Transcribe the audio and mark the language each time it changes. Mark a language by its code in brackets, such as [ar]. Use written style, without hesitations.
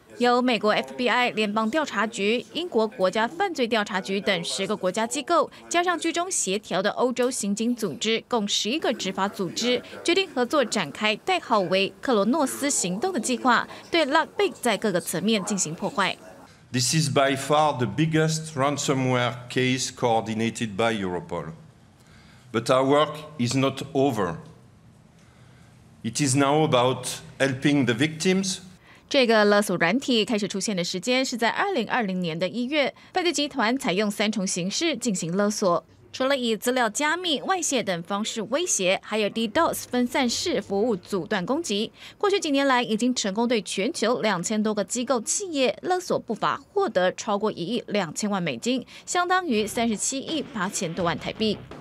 [zh] 由美国 FBI 联邦调查局、英国国家犯罪调查局等10个国家机构，加上居中协调的欧洲刑警组织，共11个执法组织决定合作，展开代号为“克罗诺斯行动”的计划，对 Lockbit 在各个层面进行破坏。 [en] This is by far the biggest ransomware case coordinated by Europol, but our work is not over. It is now about helping the victims. [zh] 这个勒索软体开始出现的时间是在2020年的1月，犯罪集团采用3重形式进行勒索，除了以资料加密、外泄等方式威胁，还有 DDoS 分散式服务阻断攻击。过去几年来，已经成功对全球2000多个机构、企业勒索不法获得超过1亿2000万美金，相当于37亿8000多万台币。